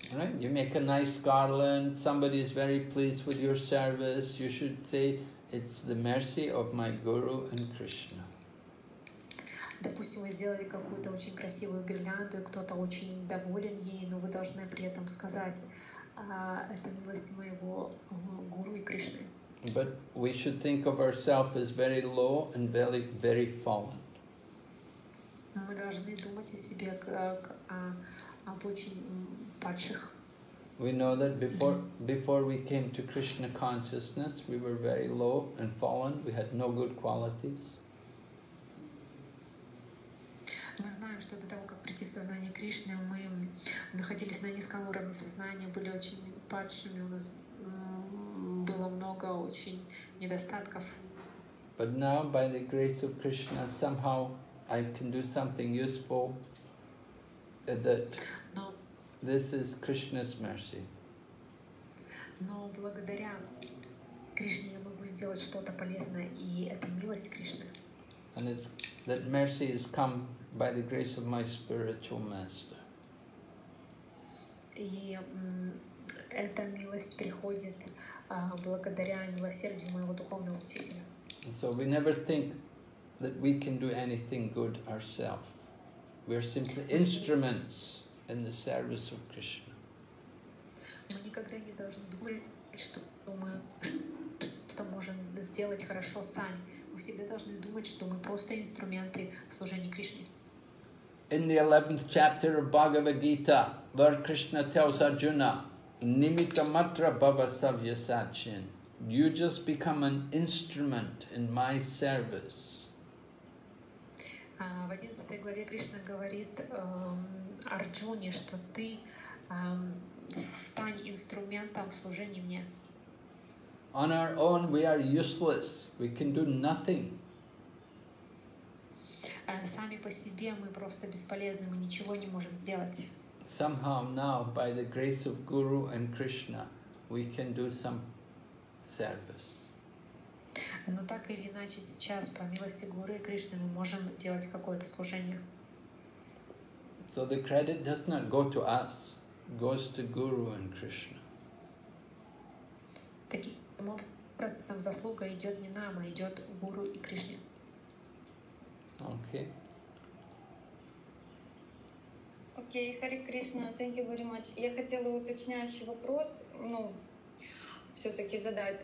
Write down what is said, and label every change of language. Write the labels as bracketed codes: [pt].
[en] Right, you make a nice garland, somebody is very pleased with your service, you should say, it's the mercy of my Guru and Krishna. [ru] Допустим, вы сделали какую-то очень красивую гирлянду, и кто-то очень доволен ей, но вы должны при этом сказать, это милость моего Гуру и Кришны. [en] But we should think of ourselves as very low and very, very fallen. [ru] Мы должны думать о себе как об очень падших. [en] We know that before we came to Krishna consciousness, we were very low and fallen. We had no good qualities. [ru] Мы знаем, что до того, как прийти в сознание Кришны, мы находились на низком уровне сознания, были очень падшими. У нас было много очень недостатков. [en] But now, by the grace of Krishna, somehow I can do something useful. This is Krishna's mercy. [ru] Но благодаря Кришне я могу сделать что-то полезное, и это милость Кришны. [en] And it's that mercy has come by the grace of my spiritual master. [ru] И эта милость приходит благодаря милосердию моего духовного учителя. [en] So we never think that we can do anything good ourselves. We are simply instruments in the service of Krishna. [ru] Мы никогда не должны думать, что мы что-то можем сделать хорошо сами. Мы всегда должны думать, что мы просто инструменты служения Кришне. [en] In the 11th chapter of Bhagavad Gita, Lord Krishna tells Arjuna, Nimitta matra bhava savya sachin. You just become an instrument in my service. [ru] В 11 главе Кришна говорит Арджуне, что ты стань инструментом в служении мне. [en] On our own we are useless. We can do nothing. [ru] Сами по себе мы просто бесполезны, мы ничего не можем сделать. [en] Somehow now, by the grace of Guru and Krishna, we can do some service. [ru] Но так или иначе сейчас по милости Гуру и Кришны мы можем делать какое-то служение. [en] So the credit does not go to us, goes to Guru and Krishna. [ru] Таким образом заслуга идет не нам, а идет Гуру и Кришне. [en] Okay. Окей, Хари Кришна, thank you very much. [ru] Я хотела уточняющий вопрос, все-таки задать.